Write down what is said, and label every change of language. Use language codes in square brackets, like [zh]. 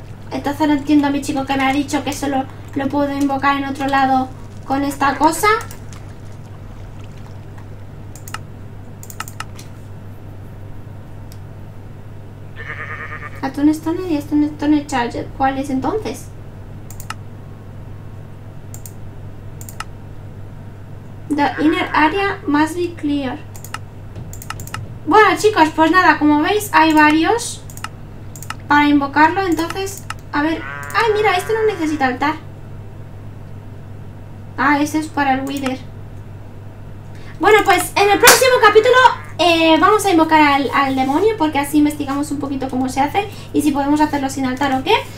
[es] Entonces no entiendo a mi chico que me ha dicho que solo lo puedo invocar en otro lado con esta cosa. Atún Stone y Atún Stone Charger, ¿cuál es entonces? [en] The inner area must be clear. [es] Bueno, chicos, pues nada, como veis, hay varios para invocarlo. Entonces, a ver. ¡Ay, mira! Este no necesita altar. Ah, ese es para el Wither. Bueno, pues en el próximo capítulo. Vamos a invocar al demonio porque así investigamos un poquito cómo se hace y si podemos hacerlo sin altar o qué.